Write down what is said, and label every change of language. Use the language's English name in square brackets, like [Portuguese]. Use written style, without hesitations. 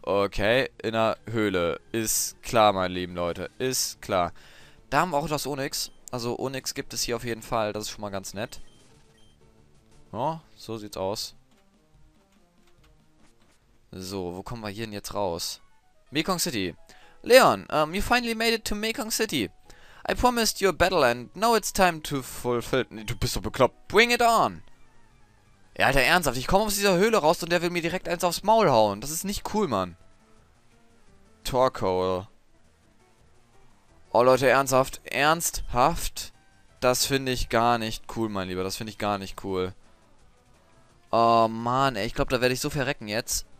[German] Okay, in der Höhle. Ist klar, meine lieben Leute. Ist klar. Da haben wir auch das Onix. Also, Onix gibt es hier auf jeden Fall. Das ist schon mal ganz nett. Ja, so sieht's aus. So, wo kommen wir hier denn jetzt raus? Mekong City. [English] Leon, you finally made it to Mekong City. I promised you a battle and now it's time to fulfill. [German] Nee, du bist so bekloppt. [English] Bring it on! [German] Ja, Alter, ernsthaft, ich komme aus dieser Höhle raus und der will mir direkt eins aufs Maul hauen. Das ist nicht cool, Mann. Torkoal. Oh, Leute, ernsthaft. Ernsthaft? Das finde ich gar nicht cool, mein Lieber. Das finde ich gar nicht cool. Oh, Mann, ey, ich glaube, da werde ich so verrecken jetzt.